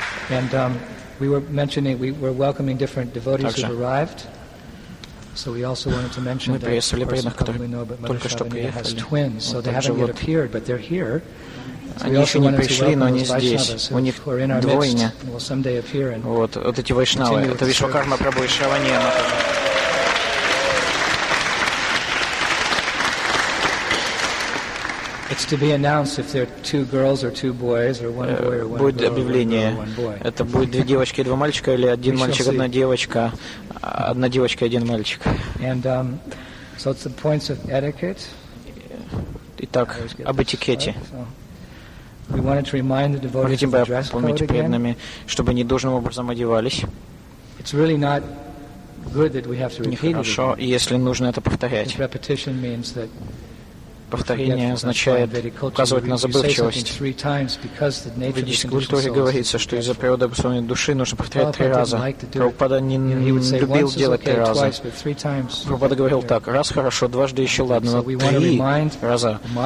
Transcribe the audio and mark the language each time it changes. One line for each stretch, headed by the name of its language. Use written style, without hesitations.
English: And we were mentioning, we were welcoming different devotees who arrived. So we also wanted to mention that, of course, probably know, but Mother Shravaniya has twins. So they haven't yet appeared, but they're here.
Russian: Они еще не пришли, но они здесь. У них двойня. Вот, вот эти вайшнавы. Это Вишвакарма Прабху и Шраваниена.
English: To be announced if there are two girls or two boys or one boy or one girl.
Russian: Будет объявление. Это будет две девочки и два мальчика или один мальчик одна девочка, одна девочка один мальчик.
English: And so it's the points of etiquette.
Russian: Итак, об этикете.
English: We wanted to remind the devotees to dress properly again,
Russian: чтобы они должным образом одевались.
English: It's really not good that we have to repeat.
Russian: Нехорошо, если нужно это повторять.
English: Repetition means that.
Russian: Повторение означает указывать на забывчивость. В ведической культуре говорится, что из-за природы обусловленной души нужно повторять три раза. Прабхупада не любил делать три раза. Прабхупада говорил так: раз хорошо, дважды еще ладно, но три раза.